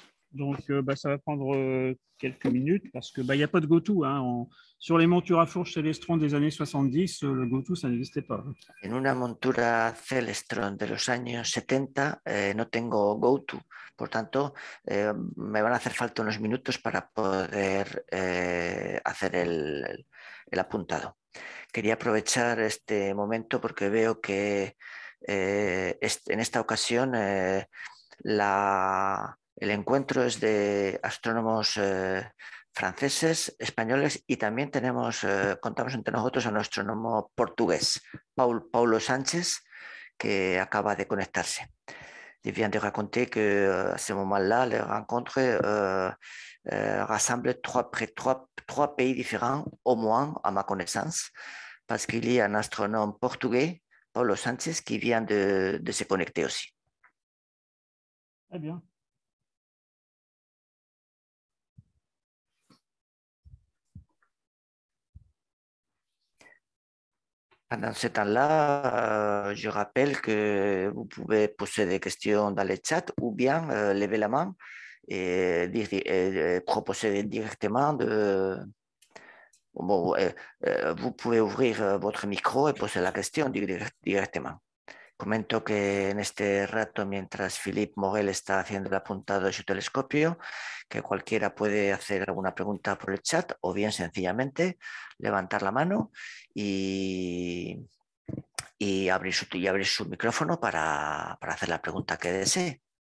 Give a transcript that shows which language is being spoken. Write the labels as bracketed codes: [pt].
[fr] Donc, ça va prendre quelques minutes parce que y a pas de go-to. Hein. Sur les montures à fourche Celestron des années 70, le go-to, ça n'existait pas. [es] En una montura Celestron de los años 70, no tengo go-to. Por tanto, me van a hacer falta unos minutos para poder hacer el apuntado. Quería aprovechar este momento porque veo que en esta ocasión el encuentro es de astrónomos franceses, españoles y también contamos entre nosotros a un astrónomo portugués, Paulo Sánchez, que acaba de conectarse. [fr] Il vient de raconter que à ce moment-là, les rencontres rassemblent trois pays différents, au moins à ma connaissance, parce qu'il y a un astronome portugais, Paulo Sánchez, qui vient de se connecter aussi. Très bien. Pendant ce temps-là, je rappelle que vous pouvez poser des questions dans le chat ou bien lever la main et proposer directement vous pouvez ouvrir votre micro et poser la question directement. [es] Comento que en este rato, mientras Philippe Morel está haciendo el apuntado de su telescopio, que cualquiera puede hacer alguna pregunta por el chat o bien sencillamente levantar la mano y abrir su micrófono para hacer la pregunta que desee.